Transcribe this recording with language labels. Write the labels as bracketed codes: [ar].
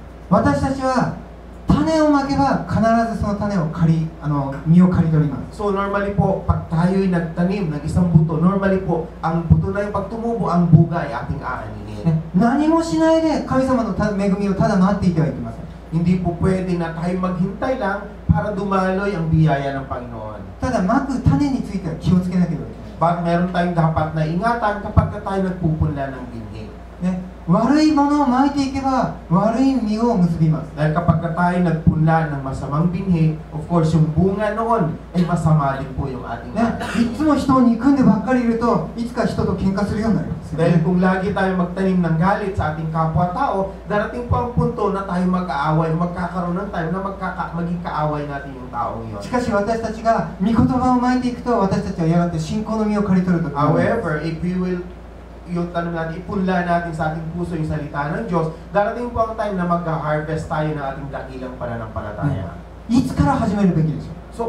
[ja] 私たちは種をまけば必ずその種を実を刈り取ります。 [tl] So normally po pag tayo'y nagtanim ng isang buto, normally po ang buto na yung pagtumubo, ang buga ay ating aaninin. [ja] 何もしないで神様の恵みをただ待っていてはいけません。 [tl] Hindi po pwede na tayo maghintay lang para dumaloy ang biyaya ng Panginoon. [ja] ただ撒く種については気をつけなければいけません。 [tl] But meron tayong dapat na ingatan kapag tayo nagpupunla ng binhi. [ja] 悪いものを撒いていけば悪い実を結びます。 [tl] dahil kapag tayo nagpunla ng masamang binhi, of course yung bunga noon ay masama din po yung ating [ja] atin. いつも人を憎んでばっかりいるといつか人と喧嘩するようになります。 [tl] dahil kung lagi tayo magtanim ng galit sa ating kapwa-tao, darating po ang punto na tayo mag-aaway, magkakaroon ng time na maging kaaway natin yung tao yun. [ja] しかし私たちが御言葉を撒いていくと、私たちはやがて信仰の実を刈り取ると。 [en] however, if we will [tl] yung tanong natin, ipunla natin sa ating puso yung salita ng Diyos, darating po ang time na mag-harvest tayo ng ating dakilang pananampalataya. [ja] Itz から始めるべきでしょ?